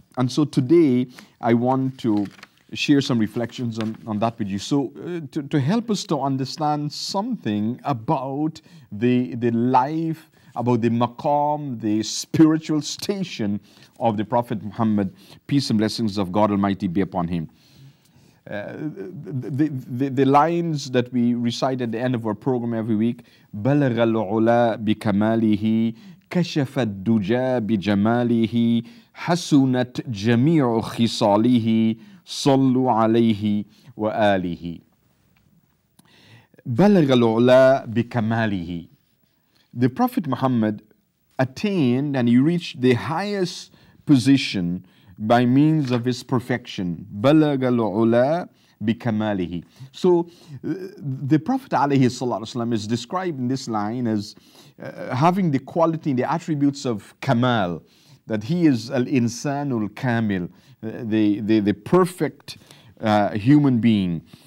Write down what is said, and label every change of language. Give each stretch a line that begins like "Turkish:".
English: And so today, I want to share some reflections on that with you. So to help us to understand something about the life, about the maqam, the spiritual station of the Prophet Muhammad, peace and blessings of God Almighty be upon him. The lines that we recite at the end of our program every week,
Arabic: بَلَغَ الْعُلَى بِكَمَالِهِ كَشَفَ الدُّجَى بِجَمَالِهِ حَسُنَتْ جَمِيعُ خِصَالِهِ صَلُّ عَلَيْهِ وَآلِهِ بَلَغَ الْعُلَى بِكَمَالِهِ.
English: The Prophet Muhammad attained and he reached the highest position by means of his perfection.
Arabic: بَلَغَ الْعُلَى بِكَمَالِهِ.
English: So the Prophet alayhi salallahu alayhi wa sallam is described in this line as having the quality and the attributes of kamal, that he is al-insanul kamil, the perfect human being.